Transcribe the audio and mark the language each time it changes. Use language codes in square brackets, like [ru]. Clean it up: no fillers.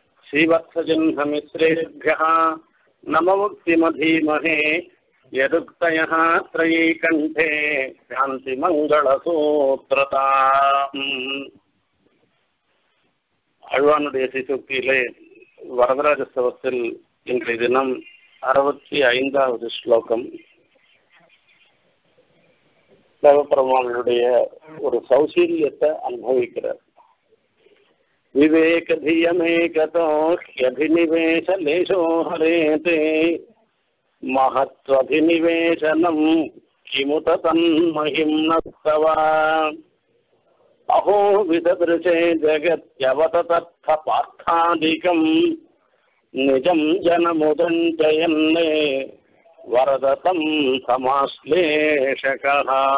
[sa] श्रीवत्सजिह्नमित्रेभ्यः नमो मुक्तिमधीमहे यदुक्तयः त्रयीकण्ठे शान्तिमङ्गलसूत्रताम्। [ta] அழ்வானுடைய சிசுக்தியிலே வரதராஜ சவத்தில் இன்றைய தினம் 65வது ஸ்லோகம் சிவபெருமானுடைய ஒரு சௌசீரியத்தை அனுபவிக்கிறார். [sa] விவேக தியமேகோஹரேதே மகத்வதிநிவேசனம் கிமுத தன்மஹிம் நத்தவா अहो विदृशे जगत्यवत तत्थ पार्थादिकं निजं जनमुदञ्चयन्ने वरदतं समाश्लेषकः।